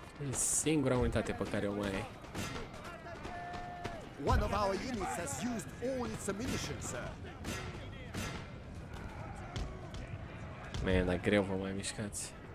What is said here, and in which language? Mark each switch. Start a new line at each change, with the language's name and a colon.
Romanian: E singura unitate pe care o mai ai.
English: One of our units has used all its ammunition, sir.
Romanian: Man, dar greu vă mai mișcați.